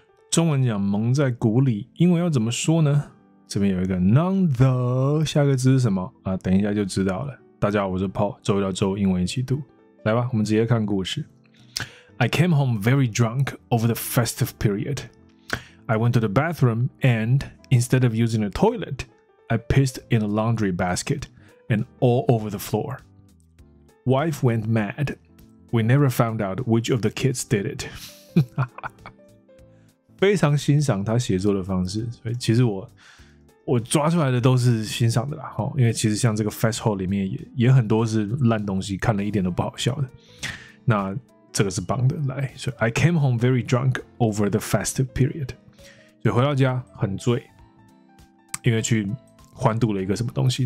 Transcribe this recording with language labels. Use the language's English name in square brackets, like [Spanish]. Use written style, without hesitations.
[Chinese] 中文讲蒙在鼓里，英文要怎么说呢？这边有一个 none the， 下个字是什么啊？等一下就知道了。大家好，我是 Paul， 周一到周五英文一起读，来吧，我们直接看故事。 [English] I came home very drunk over the festive period. I went to the bathroom and instead of using the toilet, I pissed in a laundry basket and all over the floor. Wife went mad. We never found out which of the kids did it. [Chinese] 非常欣赏他写作的方式，所以其实我抓出来的都是欣赏的啦，因为其实像这个 festhole 里面 也很多是烂东西，看了一点都不好笑的。那这个是棒的，来，所以 [English] I came home very drunk over the festive period， [Chinese] 所以回到家很醉，因为去欢度了一个什么东西。